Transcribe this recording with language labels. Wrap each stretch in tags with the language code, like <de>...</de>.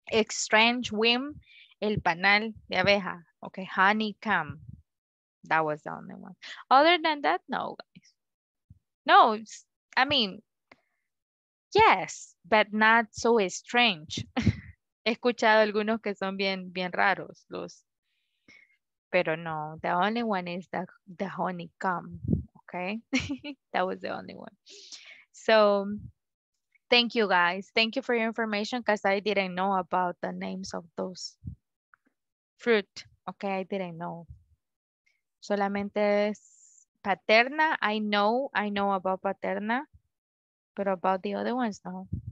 <en>Strange whim.</en> <es>El panal de abeja.</es> <en>Okay, honeycomb. That was the only one. Other than that, no, guys. No, I mean, yes, but not so strange.</en> <es>He escuchado algunos que son bien, bien raros, los. Pero no,</es> <en>the only one is the honeycomb. Okay, that was the only one. So, thank you, guys. Thank you for your information, because I didn't know about the names of those. Fruit, okay, I didn't know.</en> <es>Solamente es paterna,</es> <en>I know about paterna, but about the other ones, no.</en>